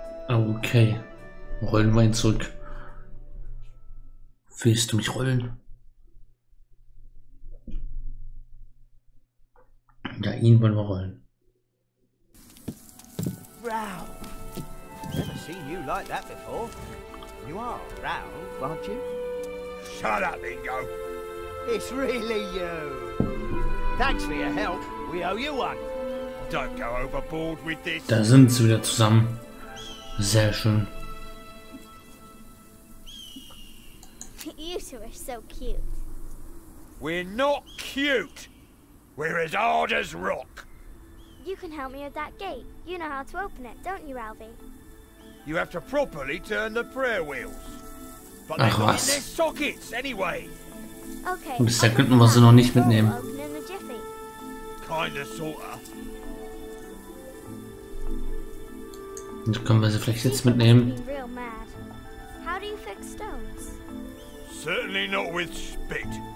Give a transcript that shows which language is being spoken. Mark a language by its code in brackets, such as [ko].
[de] Okay, rollen wir ihn zurück. Willst du mich rollen? Ja, ihn wollen wir rollen. [en] Round. Never seen you like that before. You are round, aren't you? Shut up, Ingo. It's really you. Thanks for your help. We owe you one. Don't go overboard with this. [de] Da sind sie wieder zusammen. Sehr schön. [en] You two are so cute. We're not cute. We're as hard as rock. You can help me with that gate. You know how to open it, don't you, Alvy? You have to properly turn the prayer wheels. But ach, they're not in their sockets anyway. Okay. [de] Bisher könnten wir sie noch nicht mitnehmen. [en] Open in the jiffy. Kinda, sorta. [de] Und können wir sie vielleicht jetzt mitnehmen? [en] How do you fix stones? Certainly not with spit.